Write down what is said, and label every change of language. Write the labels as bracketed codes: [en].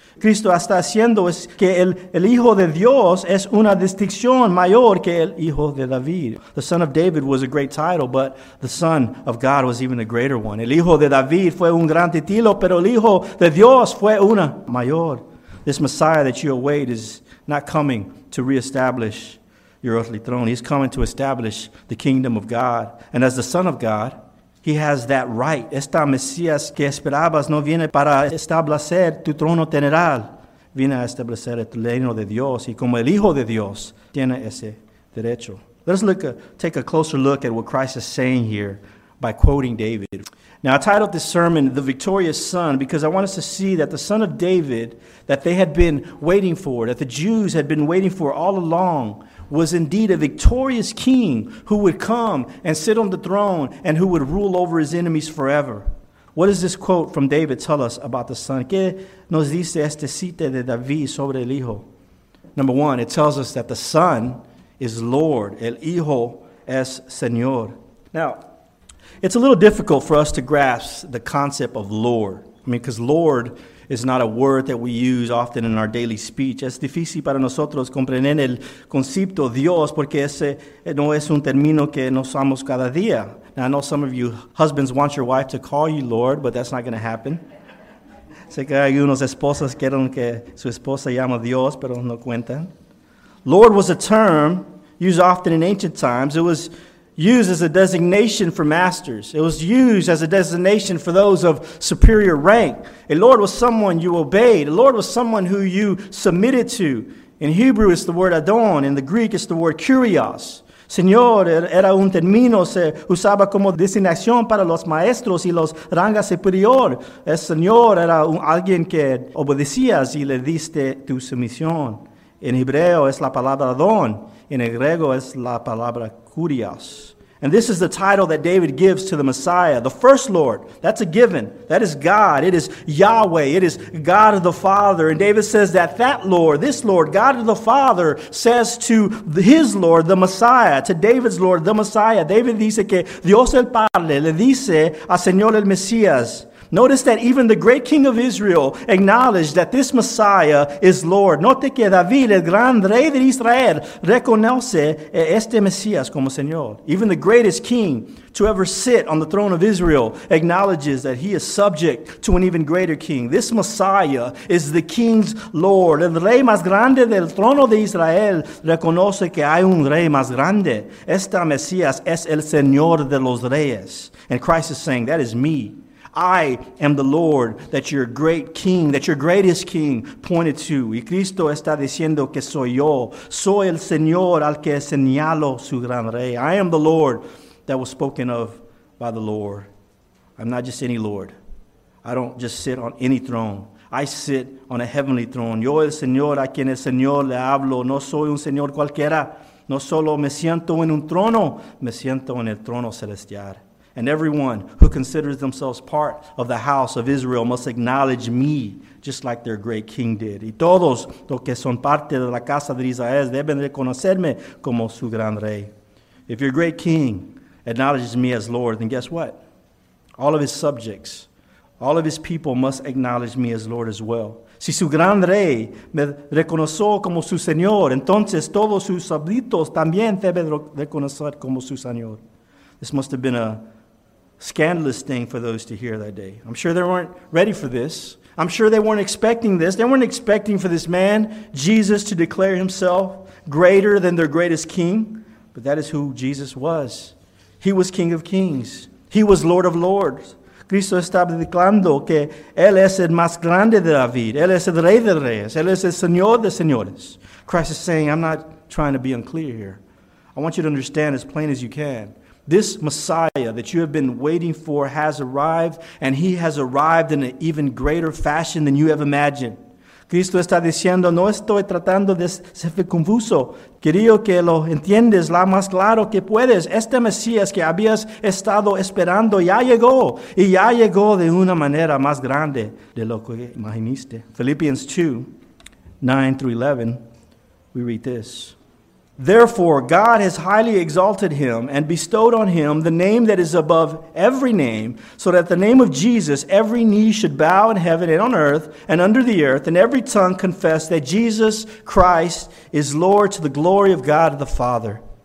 [es] Cristo está haciendo que el Hijo de Dios es una distinción mayor que el Hijo de David. [en] The Son of David was a great title, but the Son of God was even a greater one. [es] El Hijo de David fue un gran título, pero el Hijo de Dios fue una mayor. [en] This Messiah that you await is not coming to reestablish your earthly throne. He's coming to establish the kingdom of God. And as the Son of God, he has that right. [es] Esta Mesías que esperabas no viene para establecer tu trono general. Viene a establecer el reino de Dios. Y como el Hijo de Dios, tiene ese derecho. [en] Let's take a closer look at what Christ is saying here by quoting David. Now, I titled this sermon, The Victorious Son, because I want us to see that the Son of David that they had been waiting for, that the Jews had been waiting for all along, was indeed a victorious king who would come and sit on the throne and who would rule over his enemies forever. What does this quote from David tell us about the Son? [es] ¿Qué nos dice esta cita de David sobre el Hijo? [en] Number one, it tells us that the Son is Lord. [es] El Hijo es Señor. [en] Now, it's a little difficult for us to grasp the concept of Lord. I mean, because Lord is not a word that we use often in our daily speech. [es] Es difícil para nosotros comprender el concepto Dios porque ese no es un término que nos usamos cada día. [en] Now, I know some of you husbands want your wife to call you Lord, but that's not going to happen. [es] Sé que hay unos esposas que quieren que su esposa llame Dios, pero no cuentan. [en] Lord was a term used often in ancient times. It was used as a designation for masters. It was used as a designation for those of superior rank. A Lord was someone you obeyed. A Lord was someone who you submitted to. In Hebrew, it's the word Adon. In the Greek, it's the word Kyrios. [es] Señor era un término se usaba como designación para los maestros y los rangos superior. El Señor era alguien que obedecías y le diste tu sumisión. En hebreo es la palabra don. En el griego es la palabra kurios. [en] And this is the title that David gives to the Messiah, the first Lord. That's a given. That is God. It is Yahweh. It is God of the Father. And David says that that Lord, this Lord, God of the Father, says to his Lord, the Messiah, to David's Lord, the Messiah. [es] David dice que Dios el Padre le dice a Señor el Mesías. [en] Notice that even the great king of Israel acknowledged that this Messiah is Lord. [es] Note que David, el gran rey de Israel, reconoce este Mesías como Señor. [en] Even the greatest king to ever sit on the throne of Israel acknowledges that he is subject to an even greater king. This Messiah is the king's Lord. [es] El rey más grande del trono de Israel reconoce que hay un rey más grande. Este Mesías es el Señor de los Reyes. [en] And Christ is saying, that is me. I am the Lord that your great king, that your greatest king pointed to. [es] Y Cristo está diciendo que soy yo. Soy el Señor al que señalo su gran rey. [en] I am the Lord that was spoken of by the Lord. I'm not just any Lord. I don't just sit on any throne. I sit on a heavenly throne. [es] Yo el Señor a quien el Señor le hablo. No soy un Señor cualquiera. No solo me siento en un trono. Me siento en el trono celestial. [en] And everyone who considers themselves part of the house of Israel must acknowledge me, just like their great king did. [es] Y todos los que son parte de la casa de Israel deben reconocerme como su gran rey. [en] If your great king acknowledges me as Lord, then guess what? All of his subjects, all of his people must acknowledge me as Lord as well. [es] Si su gran rey me reconoció como su señor, entonces todos sus súbditos también deben reconocer como su señor. [en] This must have been a scandalous thing for those to hear that day. I'm sure they weren't ready for this. I'm sure they weren't expecting this. They weren't expecting for this man, Jesus, to declare himself greater than their greatest king. But that is who Jesus was. He was King of Kings. He was Lord of Lords. [es] Cristo estaba declarando que Él es el más grande de David. Él es el Rey de Reyes. Él es el Señor de Señores. [en] Christ is saying, I'm not trying to be unclear here. I want you to understand as plain as you can. This Messiah that you have been waiting for has arrived, and he has arrived in an even greater fashion than you have imagined. [es] Cristo está diciendo, no estoy tratando de ser confuso. Quiero que lo entiendas lo más claro que puedes. Este Mesías que habías estado esperando ya llegó, y ya llegó de una manera más grande de lo que imaginaste. [en] Philippians 2, 9 through 11, we read this. Therefore, God has highly exalted him and bestowed on him the name that is above every name, so that at the name of Jesus, every knee should bow in heaven and on earth and under the earth, and every tongue confess that Jesus Christ is Lord to the glory of God the Father.